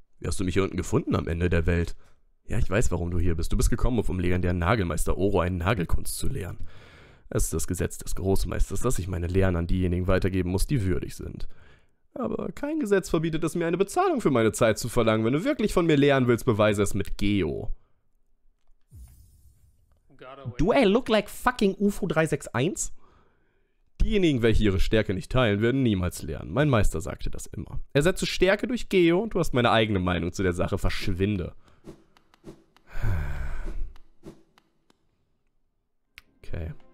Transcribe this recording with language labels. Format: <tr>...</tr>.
<de>Wie hast du mich hier unten gefunden am Ende der Welt? Ja, ich weiß, warum du hier bist. Du bist gekommen, um vom legendären Nagelmeister Oro einen Nagelkunst zu lehren. Es ist das Gesetz des Großmeisters, dass ich meine Lehren an diejenigen weitergeben muss, die würdig sind. Aber kein Gesetz verbietet es mir, eine Bezahlung für meine Zeit zu verlangen. Wenn du wirklich von mir lehren willst, beweise es mit Geo.</de> <en>Do I look like fucking UFO361?</en> <de>Diejenigen, welche ihre Stärke nicht teilen, werden niemals lernen. Mein Meister sagte das immer. Ersetze Stärke durch Geo und du hast meine eigene Meinung zu der Sache. Verschwinde. Okay.</de>